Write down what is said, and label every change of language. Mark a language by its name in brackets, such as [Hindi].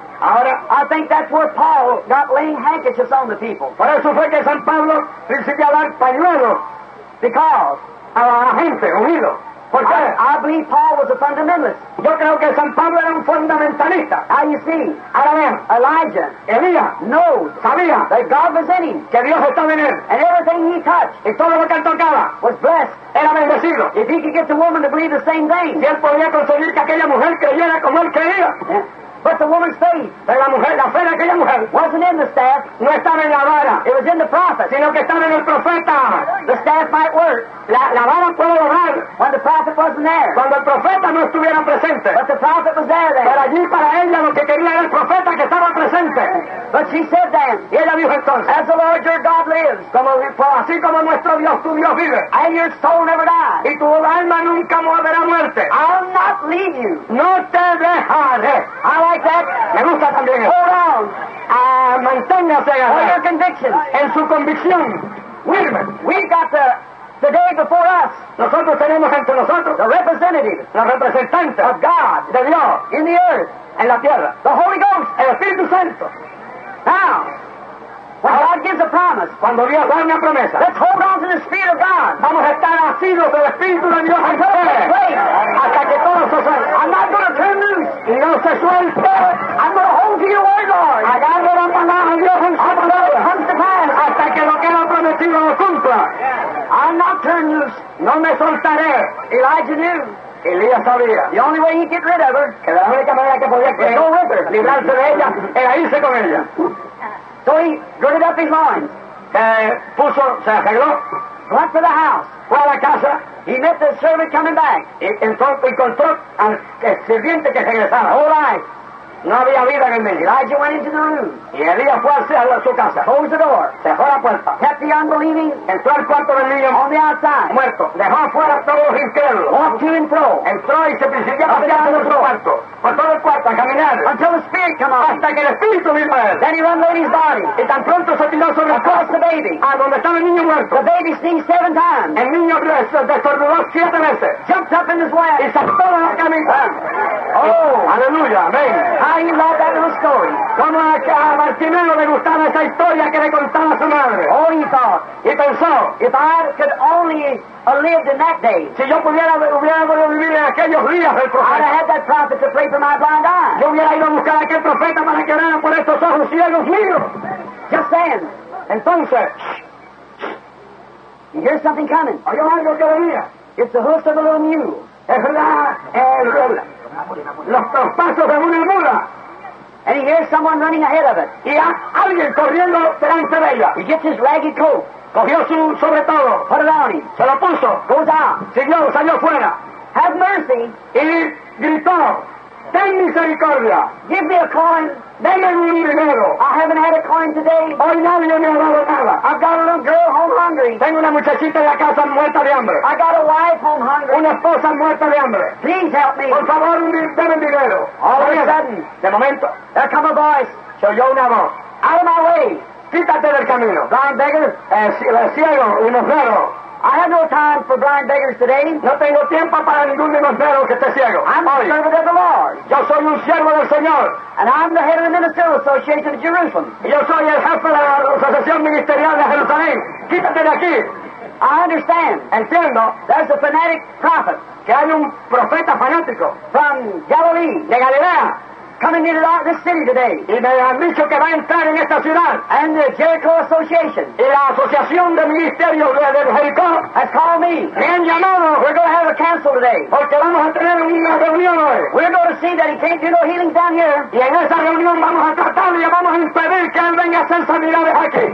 [English] I think that's where Paul got laying handkerchiefs on the people. [Spanish] Por eso fue que San Pablo principió a dar pañuelos. [English] Because [Spanish] a la gente unido. ¿Por qué? [English] I believe Paul was a fundamentalist. [Spanish] Yo creo que San Pablo era un fundamentalista. [English] Now you see, [Spanish] ahora bien, [English] Elijah, [Spanish] Elías, [English] knows, [Spanish] sabía, [English] that God was in him, [Spanish] que Dios estaba en él, [English] and everything he touched, [Spanish] y todo lo que él tocaba, [English] was blessed, [Spanish] era bendecido. [English] If he could get the woman to believe the same thing, [Spanish] si él podía conseguir que aquella mujer creyera como él creía. [English] Yeah. But the woman's faith, [Spanish] pero la fe de aquella mujer, [English] wasn't in the staff, [Spanish] no estaba en la vara, [English] it was in the prophet, [Spanish] sino que estaba en el profeta. [English] The staff might work, [Spanish] la vara puede lograr, [English] when the prophet wasn't there, [Spanish] cuando el profeta no estuviera presente. [English] But the prophet was there then, [Spanish] pero allí para ella lo que quería era el profeta que estaba presente. [English] But she said then, [Spanish] y ella dijo entonces, [English] as the Lord your God lives, [Spanish] así como nuestro Dios, tu Dios vive, [English] and your soul never dies, [Spanish] y tu alma nunca morirá muerte, [English] I'll not leave you, [Spanish] no te dejaré. [English] Like that. [Spanish] Me gusta también. [English] Hold on. [Spanish] Manténgase. [English] Hold your convictions. [Spanish] En su convicción. [English] We've got the day before us. [Spanish] Nosotros tenemos entre nosotros. [English] The representative. [Spanish] La representante. [English] Of God. [Spanish] De Dios. [English] In the earth. [Spanish] En la tierra. [English] The Holy Ghost. [Spanish] El Espíritu Santo. [English] Now. When God gives a promise, [Spanish] cuando Dios da una promesa, [English] let's hold on to the Spirit of God. [Spanish] Vamos a estar asidos del Espíritu de Dios en fe. Hasta que todo se suelte. [English] I'm not going to turn loose. [Spanish] Y no se suelte. [English] I'm going to hold to your word, Lord. [Spanish] Agarro la palabra de Dios en su palabra. [English] Until it comes to pass. [Spanish] Hasta que lo que ha prometido lo cumpla. [English] Yeah. I'm not turn loose. [Spanish] No me soltaré. [English] Elijah knew. [Spanish] Elías sabía. [English] The only way he'd get rid of her. [Spanish] Que la única manera que podía [English] was go with her. [Spanish] Librarse de ella era irse con ella. [English] So he girded up his loins. [Spanish] se arregló. [English] Went to the house. [Spanish] Fue a la casa. [English] He met the servant coming back. [Spanish] Encontró al sirviente que regresaba. [English] All right. [Spanish] No había vida en el medio. [English] Elijah went into the room. [Spanish] Y Elías fue hacia su casa. [English] Closed the door. [Spanish] Cerró la puerta. [English] Kept the unbelieving. [Spanish] Entró al cuarto del niño. [English] On the outside. [Spanish] Muerto. Dejó afuera todos los incrédulos. [English] Walked to and fro. [Spanish] Entró y se presidió hacia el otro cuarto. Por todo el cuarto a caminar. [English] Until the spirit came out. [Spanish] Hasta que el espíritu vino a él. [English] Then he run Lady's body. [Spanish] Y tan pronto se tiró sobre [English] across the baby. [Spanish] A donde estaba el niño muerto. [English] The baby sneezed 7 times. [Spanish] El niño destornudó 7 veces. [English] Jumped up in his way. [Spanish] Y saltó a la camisa. [English] Oh, [Spanish] aleluya, amén. [English] How he loved that little story. [Spanish] Como a Bartimeo le gustaba esa historia que le contaba su madre. [English] Oh, he thought. [Spanish] Y pensó. [English] If I could only lived in that day. [Spanish] Si yo hubiera podido vivir en aquellos días del profeta. [English] I'd have had that prophet to pray for my blind eyes. [Spanish] Yo hubiera ido a buscar a aquel profeta para que orara por estos ojos ciegos míos. [English] Just then. [Spanish] Entonces. [English] You hear something coming. [Spanish] Oye algo que venía. [English] It's the hoofs of a little mule. [Spanish] Es la el los pasos de una mula. [English] And he hears someone running ahead of it. [Spanish] Y a alguien corriendo delante de ella. [English] He gets his ragged coat. [Spanish] Cogió su sobre todo. [English] Put it on him. [Spanish] Se lo puso. [English] Goes out. [Spanish] Señor, salió fuera. [English] Have mercy. [Spanish] Y gritó. Ten misericordia. [English] Give me a coin. [Spanish] Deme un dinero. [English] I haven't had a coin today. [Spanish] Hoy nadie me ha dado nada. [English] I've got a little girl home hungry. [Spanish] Tengo una muchachita en la casa muerta de hambre. [English] I got a wife home hungry. [Spanish] Una esposa muerta de hambre. [English] Please help me. [Spanish] Por favor, deme dinero. [English] All of a sudden. [Spanish] De momento. [English] There come a voice. [Spanish] Se oyó una voz. [English] Out of my way. [Spanish] Quítate del camino. [English] Blind beggar. [Spanish] Ciego, limosnero. [English] I have no time for blind beggars today. [Spanish] No tengo tiempo para ningún limosnero que esté ciego. [English] I'm a servant of the Lord. [Spanish] Yo soy un siervo del Señor. [English] And I'm the head of the Ministerial Association of Jerusalem. [Spanish] Yo soy el jefe de la Asociación Ministerial de Jerusalén. Quítate de aquí. [English] I understand. [Spanish] Entiendo. [English] There's a fanatic prophet. [Spanish] Que hay un profeta fanático. [English] From Galilee. [Spanish] De Galilea. [English] Coming into this city today. [Spanish] Y me han dicho que va a entrar en esta ciudad. [English] And the Jericho Association. [Spanish] Y la Asociación de Ministerios de Jericó. [English] Has called me. [Spanish] Me han llamado. [English] We're going to have a council today. [Spanish] Porque vamos a tener una reunión hoy. [English] We're going to see that he can't do no healings down here. [Spanish] Y en esa reunión vamos a tratar y vamos a impedir que él venga a hacer sanidades aquí.